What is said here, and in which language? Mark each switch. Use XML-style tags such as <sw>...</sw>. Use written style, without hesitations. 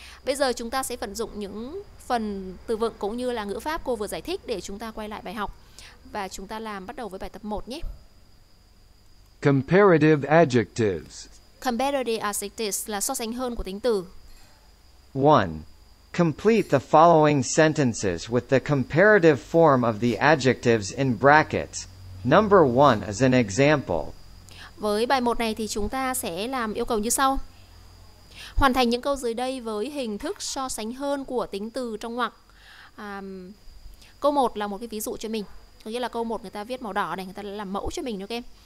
<vi>Bây giờ chúng ta sẽ vận dụng những phần từ vựng cũng như là ngữ pháp cô vừa giải thích để chúng ta quay lại bài học và chúng ta làm bắt đầu với bài tập 1 nhé.</vi> <en>Comparative adjectives. Comparative adjectives</en> <vi>là so sánh hơn của tính từ. 1.</vi> <en>Complete the following sentences with the comparative form of the adjectives in brackets. Number 1 is an example.</en> <vi>Với bài 1 này thì chúng ta sẽ làm yêu cầu như sau. Hoàn thành những câu dưới đây với hình thức so sánh hơn của tính từ trong ngoặc. Câu 1 là một cái ví dụ cho mình. Có nghĩa là câu 1 người ta viết màu đỏ này, người ta làm mẫu cho mình cho các em.</vi>